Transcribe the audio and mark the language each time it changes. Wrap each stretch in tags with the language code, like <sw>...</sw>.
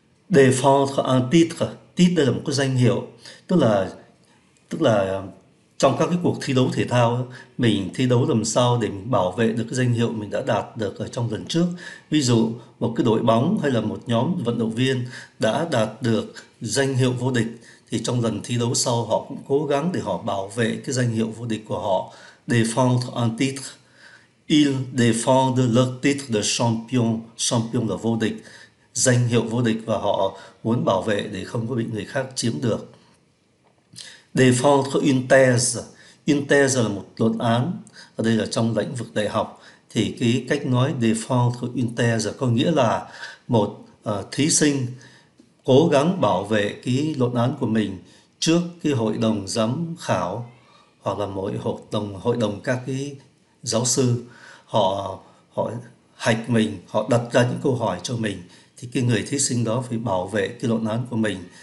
<fr>Défendre un titre.</fr> <vi>Titre đây là một cái danh hiệu, tức là trong các cái cuộc thi đấu thể thao, mình thi đấu làm sao để mình bảo vệ được cái danh hiệu mình đã đạt được ở trong lần trước. Ví dụ một cái đội bóng hay là một nhóm vận động viên đã đạt được danh hiệu vô địch thì trong lần thi đấu sau họ cũng cố gắng để họ bảo vệ cái danh hiệu vô địch của họ.</vi> <fr>Défendre un titre. Ils défendent leur titre de champion.</fr> <vi>Champion là vô địch, danh hiệu vô địch, và họ muốn bảo vệ để không có bị người khác chiếm được.</vi> <fr>Défendre une thèse. Une thèse</fr> <vi>là một luận án. Ở đây là trong lĩnh vực đại học thì cái cách nói</vi> <fr>défendre une thèse</fr> <vi>có nghĩa là một thí sinh cố gắng bảo vệ cái luận án của mình trước cái hội đồng giám khảo, hoặc là mỗi hội đồng các cái giáo sư, họ họ hạch mình, họ đặt ra những câu hỏi cho mình, thì cái người thí sinh đó phải bảo vệ cái luận án của mình.</vi>